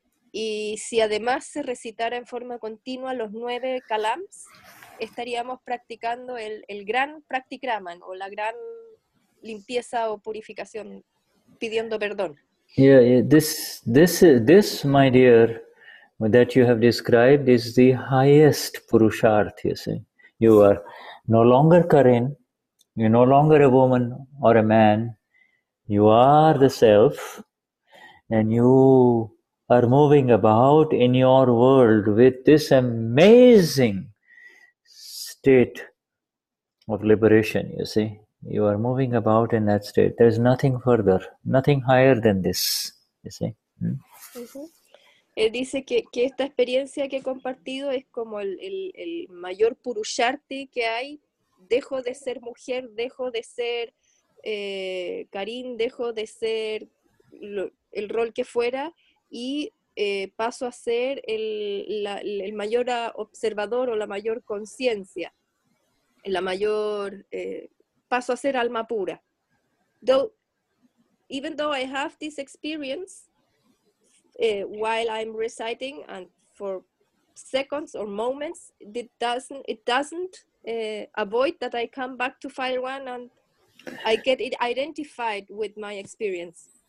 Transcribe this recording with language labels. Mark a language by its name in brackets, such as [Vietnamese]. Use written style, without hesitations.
[Spanish] Y si además se recitara en forma continua los nueve kalams, estaríamos practicando el gran pratikraman, o la gran limpieza o purificación, pidiendo perdón. [English] Yeah, this, my dear, that you have described is the highest purushart, you see. You are no longer Karin, you're no longer a woman or a man, you are the self, and you are moving about in your world with this amazing state of liberation, you see. You are moving about in that state. There is nothing further, nothing higher than this, you see. [Spanish] Él dice que esta experiencia que he compartido es como el mayor purusharti que hay. Dejo de ser mujer, dejo de ser Karin, dejo de ser el rol que fuera, y paso a ser el mayor observador, o la mayor conciencia, la mayor, paso a ser alma pura. [English] Even though I have this experience while I'm reciting and for seconds or moments, it doesn't avoid that I come back to file one and I get it identified with my experience.